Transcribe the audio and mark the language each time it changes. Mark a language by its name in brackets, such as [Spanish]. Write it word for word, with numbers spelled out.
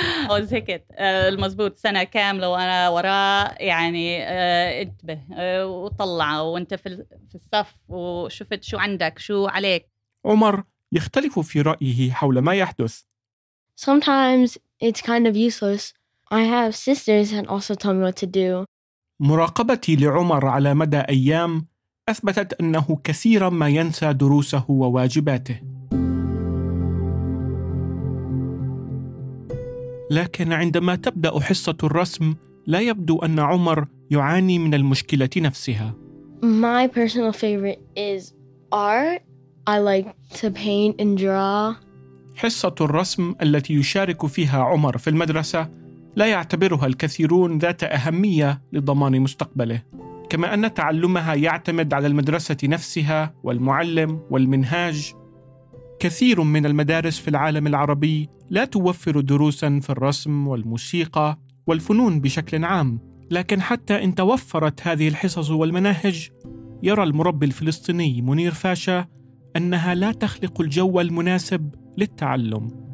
[Arabic] وزهكت المزبوط سنة كاملة وأنا وراه، يعني انتبه وطلع وانت في الصف وشفت شو عندك شو عليك. عمر يختلف في رأيه حول ما يحدث. [English] Sometimes it's kind of useless. I have sisters and also tell me what to do. [Arabic] مراقبتي لعمر على مدى أيام أثبتت أنه كثيرا ما ينسى دروسه وواجباته. لكن عندما تبدأ حصة الرسم لا يبدو أن عمر يعاني من المشكلة نفسها. [English] My personal favorite is art. I like to paint and draw. [Arabic] حصة الرسم التي يشارك فيها عمر في المدرسة لا يعتبرها الكثيرون ذات أهمية لضمان مستقبله، كما أن تعلمها يعتمد على المدرسة نفسها والمعلم والمنهاج. كثير من المدارس في العالم العربي لا توفر دروساً في الرسم والموسيقى والفنون بشكل عام، لكن حتى إن توفرت هذه الحصص والمناهج، يرى المربي الفلسطيني منير فاشا أنها لا تخلق الجو المناسب للتعلم.